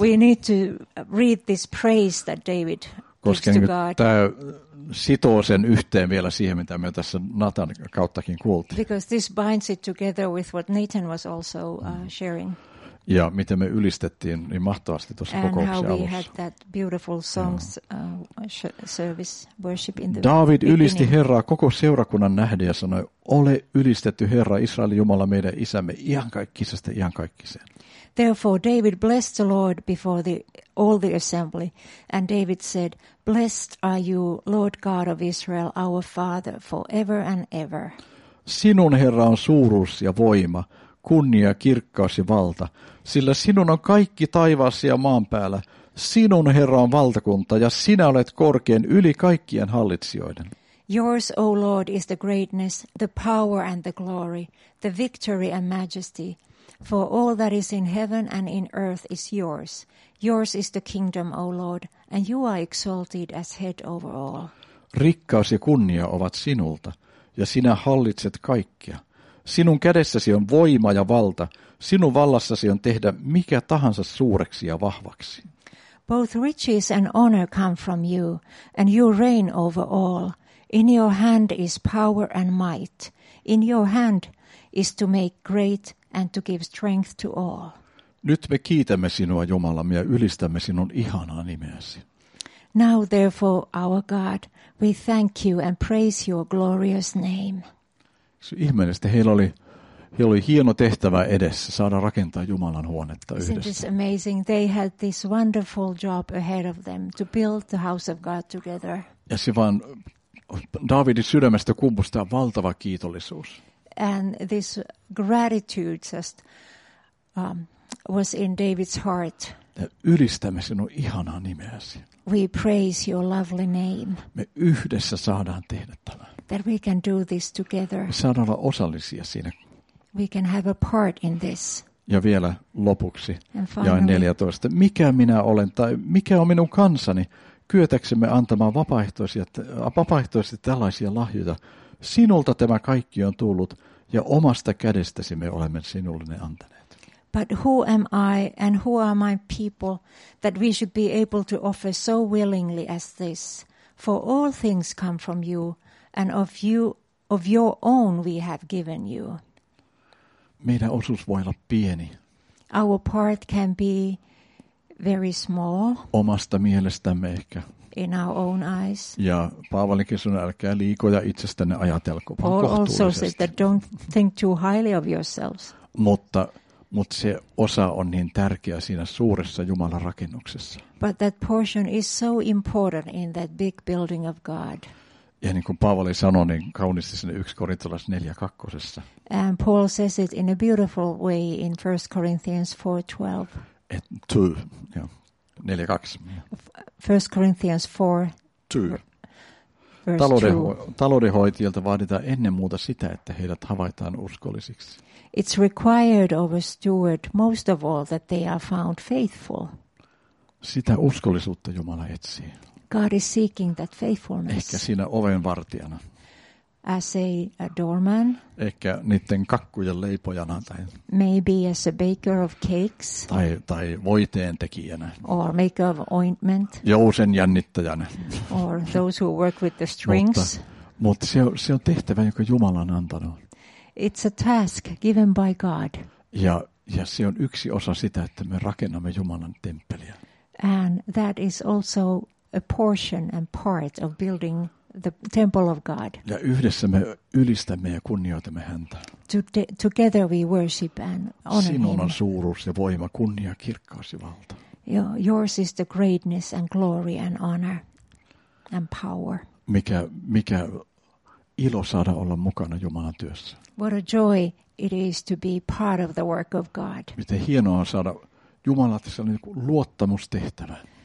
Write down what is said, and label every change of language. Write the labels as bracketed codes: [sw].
[en] We need to read this praise that David gives to God. [fi] Koska tämä sitoo sen yhteen vielä siihen, mitä me tässä Nathan kauttakin kuultiin. [en] Because this binds it together with what Nathan was also sharing. [fi] Ja miten me ylistettiin niin mahtavasti tuossa [en] and [fi] kokouksen [en] how we [fi] alussa. [en] Had that beautiful songs, service, worship in the [fi] David [en] beginning. [fi] Ylisti Herraa koko seurakunnan nähden ja sanoi, ole ylistetty Herra Israelin Jumala meidän isämme iankaikkisesta iankaikkiseen. [en] Therefore David blessed the Lord before all the assembly. And David said, blessed are you, Lord God of Israel, our Father, forever and ever. [fi] Sinun Herra on suuruus ja voima. Kunnia, kirkkaus ja valta, sillä sinun on kaikki taivaassa ja maan päällä. Sinun, Herra, on valtakunta, ja sinä olet korkein yli kaikkien hallitsijoiden. [en] Yours, O Lord, is the greatness, the power and the glory, the victory and majesty. For all that is in heaven and in earth is yours. Yours is the kingdom, O Lord, and you are exalted as head over all. [fi] Rikkaus ja kunnia ovat sinulta, ja sinä hallitset kaikkia. Sinun kädessäsi on voima ja valta. Sinun vallassasi on tehdä mikä tahansa suureksi ja vahvaksi. [en] Both riches and honor come from you, and you reign over all. In your hand is power and might. In your hand is to make great and to give strength to all. [fi] Nyt me kiitämme sinua, Jumalamme, ja ylistämme sinun ihanaa nimeäsi. [en] Now, therefore, our God, we thank you and praise your glorious name. [fi] Se ihmeellistä, heillä oli hieno tehtävä edessä, saada rakentaa Jumalan huonetta yhdessä. [en] Isn't this amazing? They had this wonderful job ahead of them to build the house of God together. [fi] Ja se vaan Daavidin sydämestä kumpusi tämä valtava kiitollisuus. [en] And this gratitude just was in David's heart. [fi] Me ylistämme sinun ihanaa nimeäsi. [en] We praise your lovely name. [fi] Me yhdessä saadaan tehdä tämä. [en] That we can do this together. [fi] Me saadaan olla osallisia siinä. [en] We can have a part in this. [fi] Ja vielä lopuksi, jae 14. Mikä minä olen tai mikä on minun kansani? Kyetäksemme antamaan vapaaehtoisesti tällaisia lahjoja. Sinulta tämä kaikki on tullut ja omasta kädestäsi me olemme sinulle ne antaneet. [en] But who am I and who are my people that we should be able to offer so willingly as this? For all things come from you, and of you, of your own we have given you. [fi] Meidän osuus voi olla pieni. [en] Our part can be very small. [fi] Omasta mielestämme ehkä. [en] In our own eyes. [fi] Ja Paavalikin sanoi, älkää liikoja itsestänne ajatelko, vaan kohtuullisesti. [en] Paul also said that don't think too highly of yourselves. [fi] Mutta se osa on niin tärkeä siinä suuressa Jumalan rakennuksessa. [en] But that portion is so important in that big building of God. [fi] Ja niin kuin Paavali sanoi, niin kaunisti sinne 1 Korintolais 4:2. [en] And Paul says it in a beautiful way in 1 Corinthians 4:12. 4:2. 1 Corinthians 4:2. [fi] Taloudenhoitajilta vaaditaan ennen muuta sitä, että heidät havaitaan uskollisiksi. [en] It's required of a steward most of all that they are found faithful. [fi] Sitä uskollisuutta Jumala etsii. [en] God is seeking that faithfulness. [fi] Ehkä siinä ovenvartijana. [en] As a doorman. [fi] Ehkä niiden kakkujen leipojana. Tai [en] maybe as a baker of cakes. [fi] Tai voiteen tekijänä. [en] Or maker of ointment. [fi] Jousen jännittäjänä. [en] Or those who work with the strings. [fi] Mutta se on tehtävä, joka Jumala on antanut. [en] It's a task given by God. [fi] Ja se on yksi osa sitä, että me rakennamme Jumalan temppeliä. [en] And that is also a portion and part of building the temple of God. [fi] Ja yhdessä me ylistämme ja kunnioitamme häntä. [en] Together we worship and honor him. [fi] Sinun on suuruus ja voima, kunnia, kirkkaus ja valta. [en] Yours is the greatness and glory and honor and power. [fi] Mikä ilo saada olla mukana Jumalan työssä. [en] What a joy it is to be part of the work of God. [fi] Miten hienoa on saada Jumalalta luottamustehtävä.